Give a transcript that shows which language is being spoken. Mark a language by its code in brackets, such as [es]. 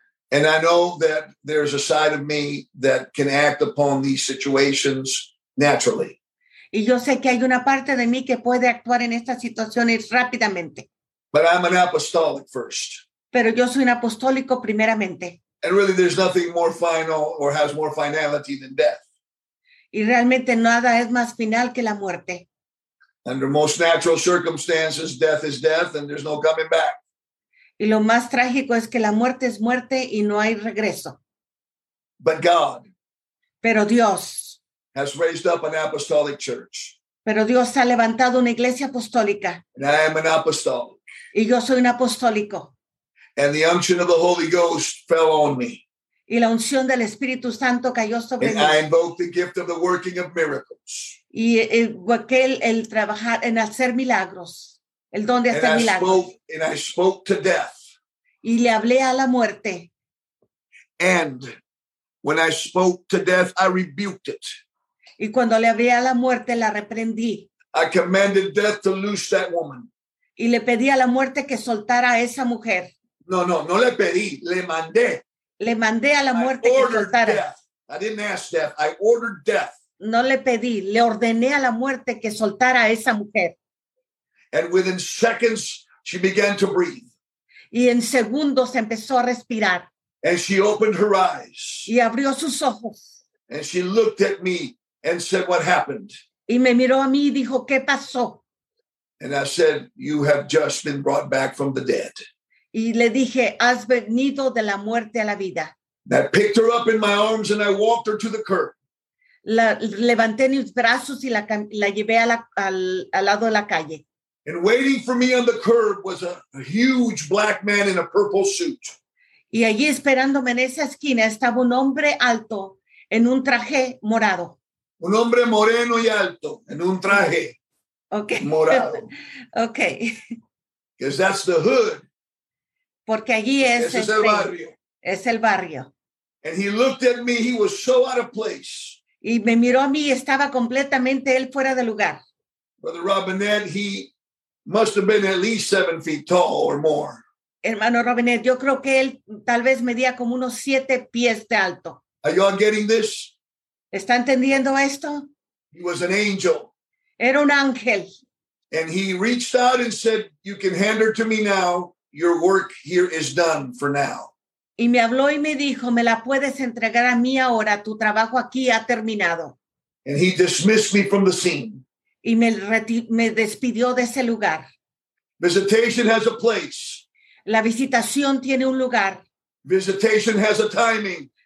[en] And I know that there's a side of me that can act upon these situations naturally. [es] Y yo sé que hay una parte de mí que puede actuar en estas situaciones rápidamente. [en] But I'm an apostolic first. [es] Pero yo soy un apostólico primeramente. [en] And really there's nothing more final or has more finality than death. [es] Y realmente nada es más final que la muerte. [en] Under most natural circumstances, death is death and there's no coming back. [es] Y lo más trágico es que la muerte es muerte y no hay regreso. [en] But God. [es] Pero Dios. [en] Has raised up an apostolic church. [es] Pero Dios ha levantado una iglesia apostólica. [en] And I am an apostolic. [es] Y yo soy un apostólico. [en] And the unction of the Holy Ghost fell on me. [es] Y la unción del Espíritu Santo cayó sobre mí. [en] And I invoked the gift of the working of miracles. [es] Y aquel el trabajar en hacer milagros, el don de hacer milagros. [en] And I spoke to death. [es] Y le hablé a la muerte. [en] And when I spoke to death, I rebuked it. [es] Y cuando le hablé a la muerte, la reprendí. [en] I commanded death to loose that woman. [es] Y le pedí a la muerte que soltara a esa mujer. No le pedí, le mandé. Le mandé a la muerte que soltara. [en] Death. I didn't ask death, I ordered death. [es] No le pedí, le ordené a la muerte que soltara a esa mujer. [en] And within seconds, she began to breathe. [es] Y en segundos empezó a respirar. [en] And she opened her eyes. [es] Y abrió sus ojos. [en] And she looked at me and said, what happened? [es] Y me miró a mí y dijo, ¿qué pasó? [en] And I said, you have just been brought back from the dead. [es] Y le dije, has venido de la muerte a la vida. [en] I picked her up in my arms and I walked her to the curb. [es] la levanté en mis brazos y la llevé a la, al lado de la calle. [en] And waiting for me on the curb was a huge black man in a purple suit. [es] Y allí esperándome en esa esquina estaba un hombre alto en un traje morado. Un hombre moreno y alto en un traje [en] okay. [es] morado. [en] Okay. Because that's the hood. [es] Porque allí es el barrio. Es el barrio. [en] And he looked at me, he was so out of place. [es] Y me miró a mí y estaba completamente él fuera de lugar. [en] Brother Robinette, he must have been at least 7 feet tall or more. [es] Hermano Robinette, yo creo que él tal vez medía como unos 7 pies de alto. [en] Are you getting this? [es] ¿Está entendiendo esto? [en] He was an angel. [es] Era un ángel. [en] And he reached out and said, you can hand her to me now. Your work here is done for now. [es] Y me habló y me dijo, me la puedes entregar a mí ahora. Tu trabajo aquí ha terminado. [en] And he dismissed me from the scene. [es] Y me despidió de ese lugar. [en] Visitation has a place. [es] La visitación tiene un lugar. [en] Visitation has a timing.